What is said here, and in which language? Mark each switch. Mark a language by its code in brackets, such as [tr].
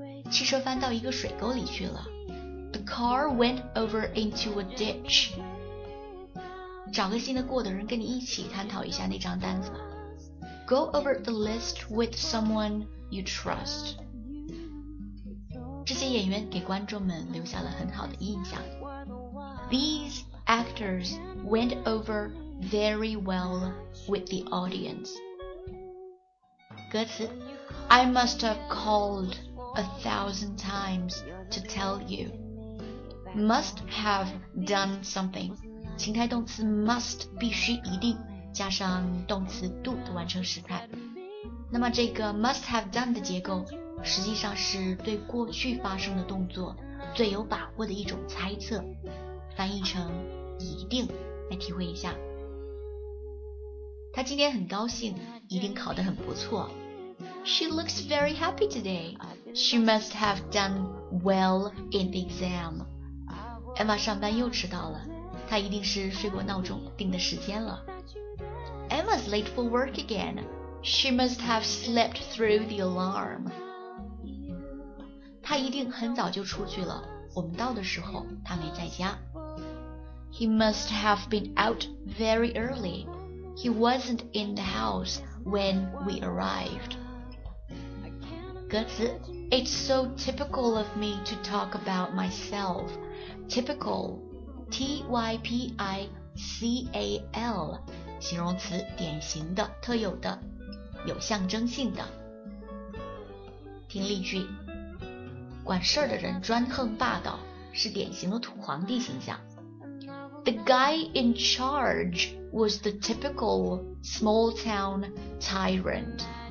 [zh] 汽车翻到一个水沟里去了。 [en] The car went over into a ditch. [zh] 找个信得过的人跟你一起探讨一下那张单子吧。 [en] Go over the list with someone you trust. [zh] 这些演员给观众们留下了很好的印象。 [en] These actors went over very well with the audience. 歌词 I must have called 1,000 times to tell you. Must have done something. [zh] 情态动词 must 必须一定加上动词 do 的完成时态。那么这个 must have done 的结构实际上是对过去发生的动作最有把握的一种猜测，翻译成一定，来体会一下。他今天很高兴，一定考得很不错。 [en] She looks very happy today. She must have done well in the exam. [zh] Emma 上班又迟到了，她一定是睡过闹钟定的时间了。 [en] Emma's late for work again. She must have slept through the alarm. [zh] 他一定很早就出去了，我们到的时候他没在家。 [en] He must have been out very early. He wasn't in the house when we arrived. 歌词 It's so typical of me to talk about myself. [zh] Typical, T-Y-P-I-C-A-L, 形容词典型的、特有的、有象征性的。听例句，管事儿的人专横霸道，是典型的土皇帝形象。 [en] The guy in charge was the typical small town tyrant.